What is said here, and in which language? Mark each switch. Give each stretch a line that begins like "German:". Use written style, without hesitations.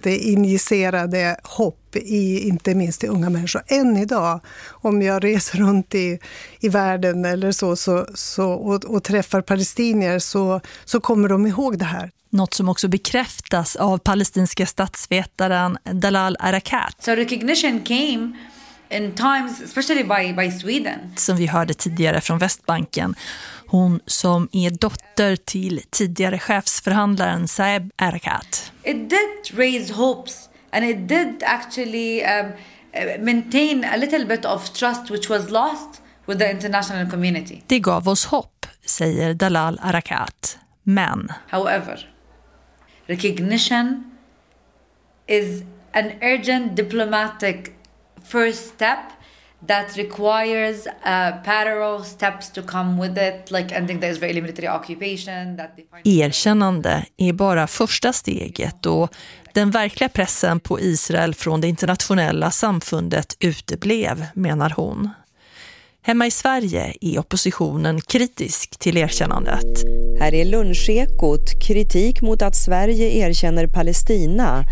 Swedish: Det injicerade hopp i inte minst i unga människor. Än idag, om jag reser runt i världen eller så och träffar palestinier, så kommer de ihåg det här. Något som också bekräftas av palestinska statsvetaren Dalal Arakat.
English: So recognition came in times, especially by Sweden.
Swedish: Som vi hörde tidigare från Västbanken. Hon som är dotter till tidigare chefsförhandlaren Saeb Erkat.
English: It did raise hopes and it did actually maintain a little bit of trust which was lost with the international community.
Swedish: Det gav oss hopp, säger Dalal Arakat. Men
English: however, recognition is an urgent diplomatic first step that requires parallel steps to come with it, like ending the Israeli military occupation.
Swedish: Erkännande är bara första steget, och den verkliga pressen på Israel från det internationella samfundet uteblev, menar hon. Hemma i Sverige är oppositionen kritisk till erkännandet. Här är Lunchekot, kritik mot att Sverige erkänner Palestina.